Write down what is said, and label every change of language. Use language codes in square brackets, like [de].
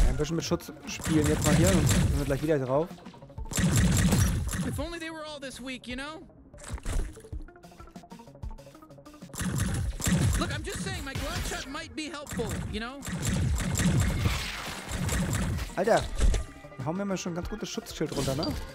[de] Mit Schutz spielen jetzt mal hier und sind wir gleich wieder drauf. [en] If only they were all this weak, you know? Look, I'm just saying, my glove shot might be helpful, you know? [de] Alter, wir haben ja mal schon ein ganz gutes Schutzschild runter, ne?